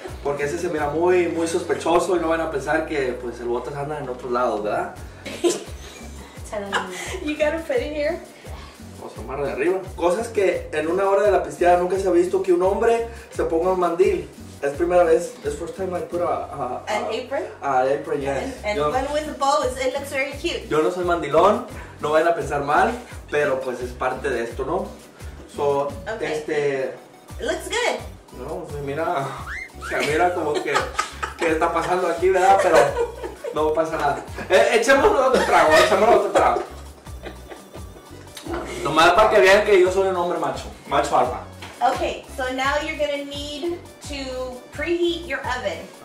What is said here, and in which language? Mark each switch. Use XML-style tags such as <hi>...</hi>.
<es>Porque ese se mira muy, muy sospechoso y no van a pensar que pues el Botas anda en otro lado, ¿verdad?</es> <en>You gotta put it here.</en> <es>Vamos a tomar de arriba. Cosas que en una hora de la pisteada nunca se ha visto que un hombre se ponga un mandil. Es primera vez, es</es> <en>first time I put an apron, yes. And one with bows, it looks very cute.</en> <es>Yo no soy mandilón, no vayan a pensar mal, pero pues es parte de esto, ¿no?</es> <en>So, okay. It looks good.</en> <es>No, se mira como que, que está pasando aquí, ¿verdad? Pero no pasa nada. Echémonos otro trago. Nomás para que vean que yo soy un hombre macho, macho alfa.</es> <en>Okay, so now you're gonna need to preheat your oven.</en>